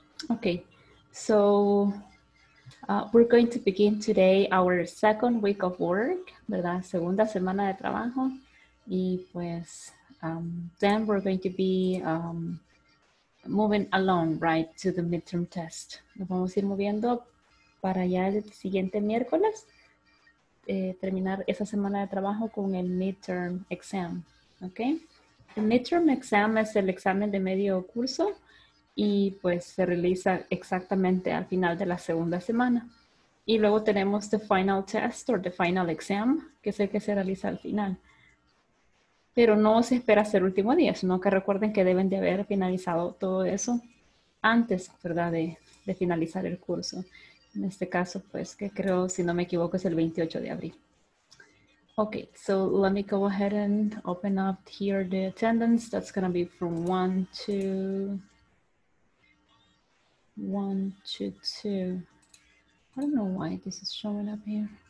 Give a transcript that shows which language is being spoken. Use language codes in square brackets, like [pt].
[en] Okay. So we're going to begin today our second week of work, ¿verdad? [es] Segunda semana de trabajo. Y pues, [en] then we're going to be moving along, right, to the midterm test. [es] Nos vamos a ir moviendo para ya el siguiente miércoles, terminar esa semana de trabajo con el midterm exam, okay? El midterm exam es el examen de medio curso. Y pues se realiza exactamente al final de la segunda semana. Y luego tenemos [en] the final test or the final exam, [es] que es el que se realiza al final. Pero no se espera hacer último día, sino que recuerden que deben de haber finalizado todo eso antes, ¿verdad? De finalizar el curso. En este caso, pues, que creo, si no me equivoco, es el 28 de abril. [en] Okay, so let me go ahead and open up here the attendance. That's going to be from 1 to 2. I don't know why this is showing up here.